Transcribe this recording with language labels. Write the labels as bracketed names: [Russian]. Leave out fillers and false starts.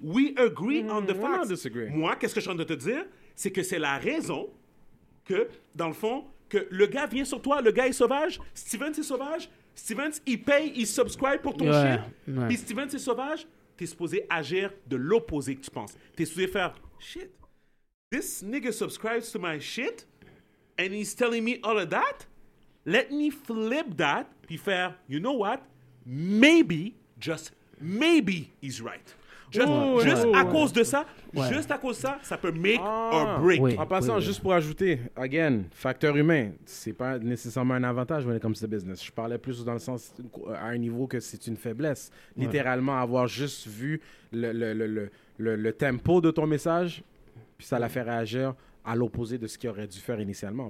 [English] We agree on the facts. I disagree. [French] Moi, qu'est-ce que je suis en train de te dire, c'est que c'est la raison... que, dans le fond, que le gars vient sur toi, le gars est sauvage, Steven, c'est sauvage, Steven, il paye, il subscribe pour ton chien, puis Steven, c'est sauvage, t'es supposé agir de l'opposé que tu penses. T'es supposé faire, [English] shit, this nigga subscribes to my shit, and he's telling me all of that, let me flip that, [French] puis faire, [English] you know what, maybe, just maybe, he's right. [French] Juste à cause de ça, ça peut [English] make or break. [French] Oui, en passant, juste pour ajouter, again, facteur humain, c'est pas nécessairement un avantage [English] when it comes to business. [French] Je parlais plus dans le sens, à un niveau que c'est une faiblesse. Ouais. Littéralement, avoir juste vu le tempo de ton message, puis ça l'a fait réagir à l'opposé de ce qu'il aurait dû faire initialement.